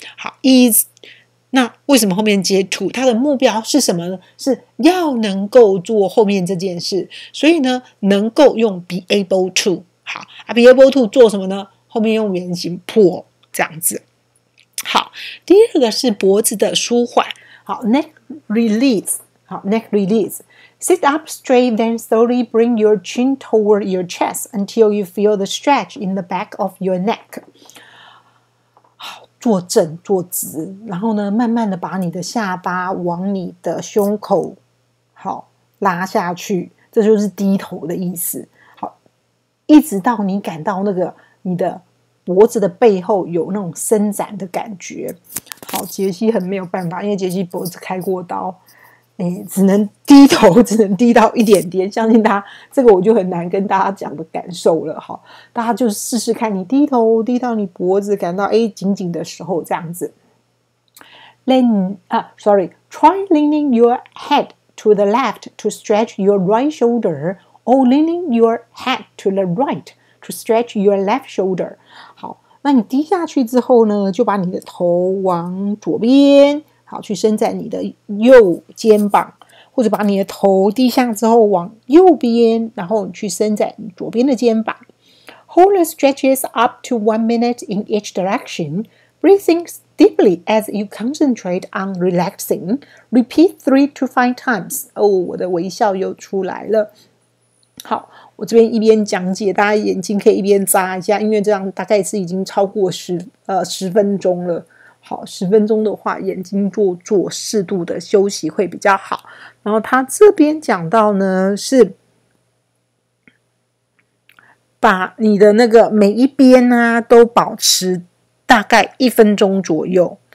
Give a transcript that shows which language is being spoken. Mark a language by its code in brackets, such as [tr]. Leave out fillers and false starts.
[zh] 好 ，is， 那为什么后面接 to？ 它的目标是什么呢？是要能够做后面这件事，所以呢，能够用 [en] be able to。 [zh] 好 ， [en] be able to [zh] 做什么呢？后面用原形 pull 这样子。好，第二个是脖子的舒缓。 [en] 好 ，neck release。好 ，neck release。 Sit up straight, then slowly bring your chin toward your chest until you feel the stretch in the back of your neck. [zh] 好，坐正，坐直，然后呢，慢慢的把你的下巴往你的胸口，好，拉下去，这就是低头的意思。好，一直到你感到那个你的脖子的背后有那种伸展的感觉。好，杰西很没有办法，因为杰西脖子开过刀。只能低头，只能低到一点点，相信大家这个我就很难跟大家讲的感受了哈。大家就试试看，你低头低到你脖子感到哎紧紧的时候，这样子。 [en] Try leaning your head to the left to stretch your right shoulder, or leaning your head to the right to stretch your left shoulder. [zh] 好，那你低下去之后呢，就把你的头往左边。好，去伸展你的右肩膀，或者把你的头低下之后往右边，然后去伸展左边的肩膀。 [en] Hold the stretches up to 1 minute in each direction, breathing deeply as you concentrate on relaxing. Repeat 3 to 5 times. [zh] 哦，我的微笑又出来了。好，我这边一边讲解，大家眼睛可以一边眨一下，因为这样大概是已经超过十分钟了。好，十分钟的话眼睛做适度的休息会比较好。然后他这边讲到呢，是把你的那个每一边啊都保持大概一分钟左右。